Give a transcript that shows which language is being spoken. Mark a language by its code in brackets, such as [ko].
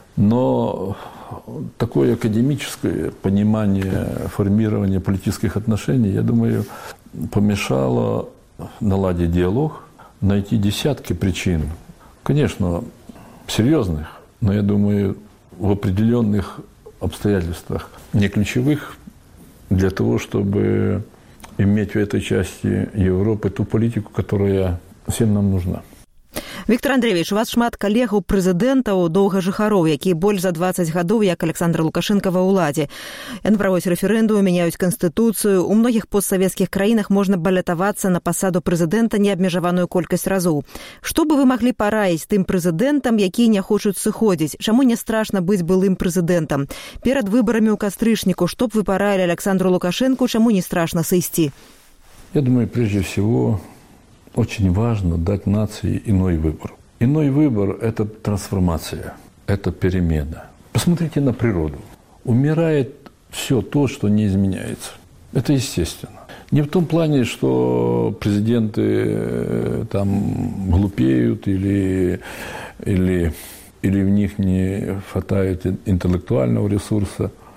[ru] Но такое академическое понимание формирования политических отношений, я думаю, помешало наладить диалог, найти десятки причин, конечно, серьезных, но я думаю, в определенных обстоятельствах, не ключевых, для того, чтобы иметь в этой части Европы ту политику, которая всем нам нужна. [be] Віктор Андрійович, у вас шмат калегаў прэзідэнтаў, доўгажыхароў, якія больш за 20 гадоў, як Александр Лукашэнка ва ўладзе. Яны праводзяць рэферэндумы, мяняюць канстытуцыю. У многіх постсавецкіх краінах можна балятавацца на пасаду прэзідэнта неабмежаваную колькасць разоў. Што бы вы маглі параіць тым прэзідэнтам, якія не хочуць сыходзіць? Чаму не страшна быць былым прэзідэнтам? Перад выбарамі ў кастрычніку, што б вы параілі Александру Лукашэнку, чаму не страшна сысці? [ru] Я думаю, прежде всего, очень важно дать нации иной выбор. Иной выбор – это трансформация, это перемена. Посмотрите на природу. Умирает все то, что не изменяется. Это естественно. Не в том плане, что президенты там глупеют или в них не хватает интеллектуального ресурса.